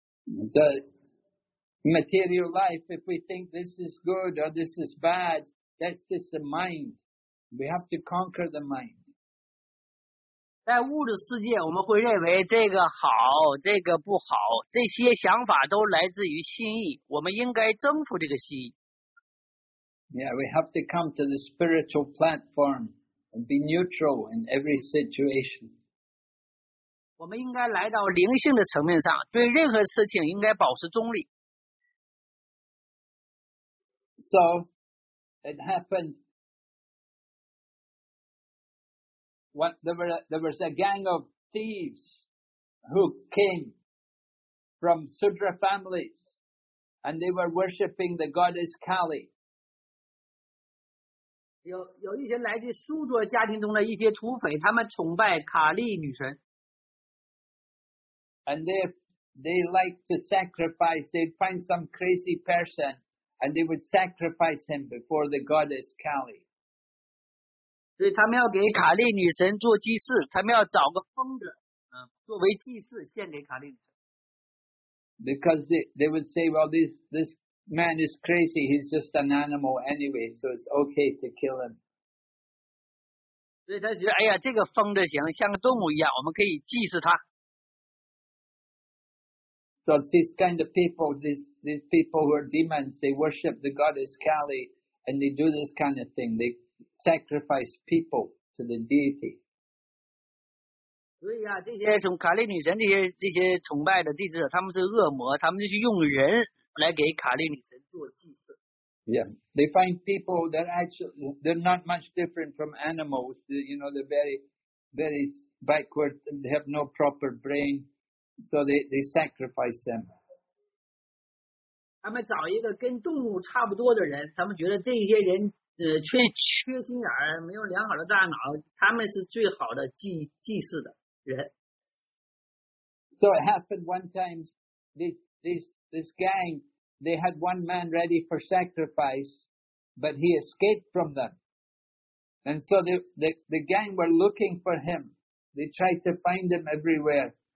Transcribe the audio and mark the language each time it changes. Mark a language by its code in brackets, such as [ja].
[en] The material life, if we think this is good or this is bad, that's just the mind. We have to conquer the mind. [zh] 在物质世界，我们会认为这个好，这个不好，这些想法都来自于心意。我们应该征服这个心意。 [en] Yeah, we have to come to the spiritual platform and be neutral in every situation. [zh] 我们应该来到灵性的层面上，对任何事情应该保持中立。 [en] So, it happened. What, there was a gang of thieves who came from Sudra families and they were worshipping the goddess Kali. [zh] 有一些来自苏卓家庭中的一些土匪，他们崇拜卡利女神。 [en] And they like to sacrifice, they'd find some crazy person and they would sacrifice him before the goddess Kali. [zh] 所以他们要给卡利女神做祭祀，他们要找个疯子，作为祭祀献给卡利女神。 [en] Because they would say, well, this man is crazy. He's just an animal anyway, so it's okay to kill him. [zh] 所以他觉得，哎呀，这个疯子行，像个动物一样，我们可以祭祀他。 [en] So these kind of people, these people who are demons, they worship the goddess Kali, and they do this kind of thing. They sacrifice people to the deity. [zh] 所以啊，这些从卡利女神这些崇拜的弟子，他们是恶魔，他们就去用人来给卡利女神做祭祀。 [en] Yeah, they find people that actually they're not much different from animals. You know, they're very, very backward. They have no proper brain, so they sacrifice them. [zh] 他们找一个跟动物差不多的人，他们觉得这些人。缺心眼儿，没有良好的大脑，他们是最好的祭祀的人。 [en] So it happened one time, this gang, they had one man ready for sacrifice, but he escaped from them. And so the gang were looking for him. They tried to find him everywhere.